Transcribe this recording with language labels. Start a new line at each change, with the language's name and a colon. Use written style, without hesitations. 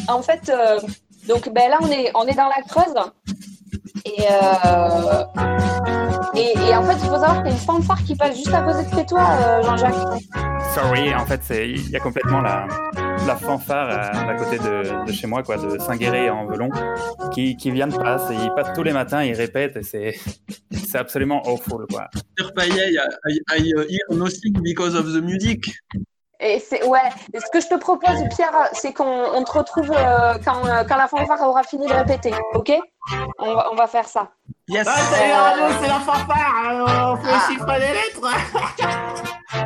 French: En fait, donc ben là on est dans la Creuse. Et en fait, il faut savoir qu'il y a une fanfare qui passe juste à côté de chez toi, Jean-Jacques. Sorry, en fait, il y a complètement la fanfare à côté de chez moi, quoi, de Saint-Guéré en Velon, qui vient de passer. Il passe tous les matins, il répète, et c'est absolument awful, quoi.
English: Sir Paillet, I hear nothing because of the music.
French: Et c'est, ouais, et ce que je te propose, Pierre, c'est qu'on te retrouve quand la fanfare aura fini de répéter, ok? On va faire ça.
English: Yes.
French: Ouais, salut, c'est la fanfare, on fait le chiffre des lettres.